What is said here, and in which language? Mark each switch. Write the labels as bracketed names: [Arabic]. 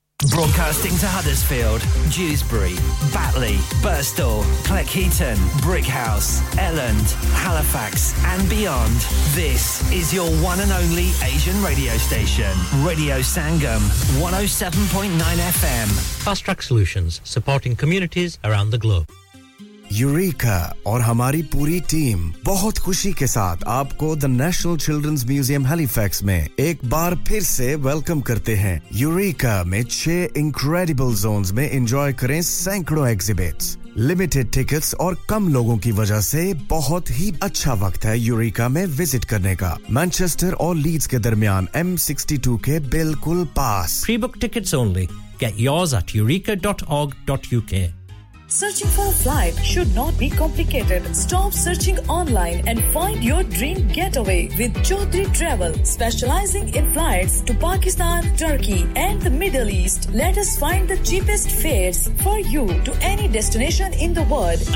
[English] Broadcasting to Huddersfield, Dewsbury, Batley, Birstall, Cleckheaton, Brickhouse, Elland, Halifax and beyond. This is your one and only Asian radio station. Radio Sangam, 107.9 FM. Fast Track Solutions, supporting communities around the globe. [Hindi] Eureka और हमारी पूरी team बहुत खुशी के साथ आपको the National Children's Museum Halifax में एक बार फिर से वेलकम करते हैं। Eureka में [English] 6 incredible zones [Hindi] में enjoy करें सैकड़ों exhibits, [English] limited tickets [Hindi] और कम लोगों की वजह से बहुत ही अच्छा वक्त है Eureka में विजिट करने का। Manchester और Leeds के दरमियान M62 के बिल्कुल पास। [English] Pre-book tickets only. Get yours at eureka.org.uk. Searching for a flight should not be complicated. Stop searching online and find your dream getaway with Chaudhry Travel, specializing in flights to Pakistan, Turkey and the Middle East. Let us find the cheapest fares for you to any destination in the world.